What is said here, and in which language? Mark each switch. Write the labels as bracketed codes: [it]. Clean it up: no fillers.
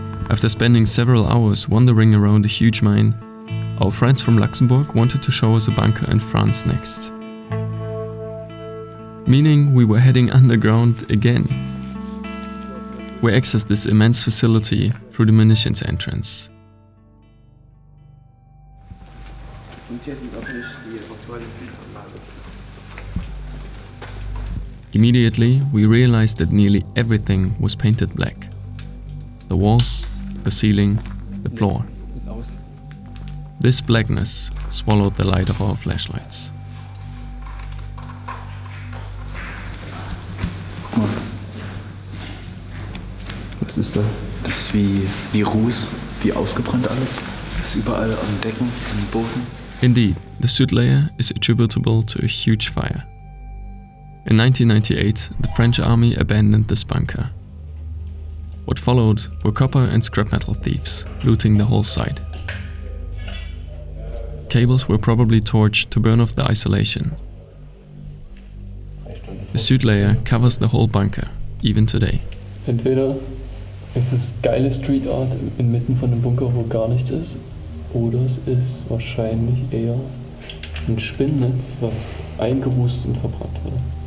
[en] After spending several hours wandering around a huge mine, our friends from Luxembourg wanted to show us a bunker in France next. Meaning we were heading underground again. We accessed this immense facility through the munitions entrance. [de] Und hier sind auch nicht die aktuellen Kriegsanlagen. [en] Immediately, we realized that nearly everything was painted black. The walls, the ceiling, the floor. This blackness swallowed the light of our flashlights. [de] Was ist da? Das ist wie Ruß, wie ausgebrannt alles. Das ist überall am Decken, am Boden. [en] Indeed, the soot layer is attributable to a huge fire. In 1998, the French army abandoned this bunker. What followed were copper and scrap metal thieves looting the whole site. Cables were probably torched to burn off the isolation. The soot layer covers the whole bunker, even today. [de] Entweder ist es geile Street Art inmitten von einem Bunker, wo gar nichts ist, oder es ist wahrscheinlich eher ein Spinnennetz, was eingerußt und verbrannt wurde.